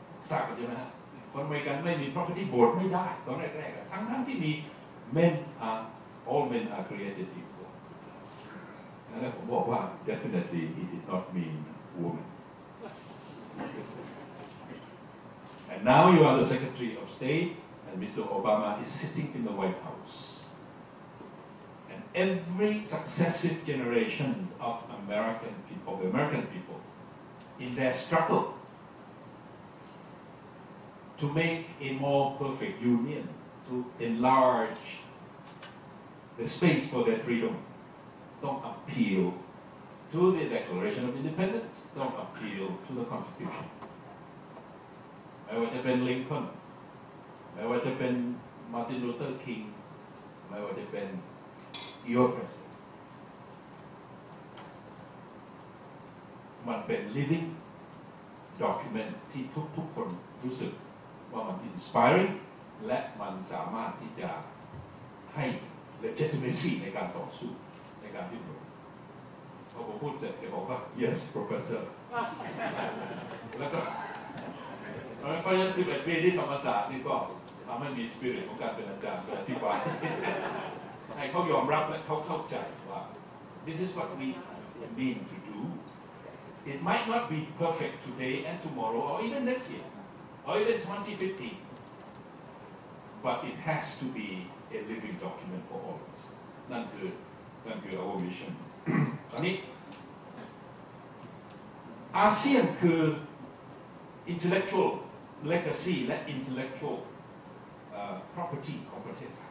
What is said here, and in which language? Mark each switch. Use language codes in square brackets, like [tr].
[th] ทราบกันใช่ไหมฮะคนอเมริกันไม่มี [en] property board [th] ไม่ได้ตอนแรกๆทั้งที่มี [en] men are all men are created equal. [th] ผมบอกว่า [en] definitely he did not mean women. And now you are the Secretary of State and Mr. Obama is sitting in the White House. Every successive generation of American people, in their struggle to make a more perfect union, to enlarge the space for their freedom, don't appeal to the Declaration of Independence, don't appeal to the Constitution. [th] ไม่ว่าจะเป็นลินคอล ไม่ว่าจะเป็นมาร์ตินลูเธอร์คิง ไม่ว่าจะเป็น [en] Your president. [th] มันเป็น [en] living document [th] ที่ทุกๆคนรู้สึก ว่ามัน inspiring และมันสามารถที่จะให้ legitimacy ในการต่อสู้ในการดิ้นรนพอผมพูดเสร็จเขาบอกว่า [en] yes professor [th] แล้วก็เพราะฉะนั้น11ปีที่ธรรมศาสตร์นี่ก็ทำให้มี spirit ของการเป็นอาจารย์อธิบายให้เขายอมรับและเขาเข้าใจว่า [en] this is what we mean to doIt might not be perfect today and tomorrow, or even next year, or even 2050. But it has to be a living document for all of us. That's our mission. ASEAN is intellectual legacy and intellectual property of the country.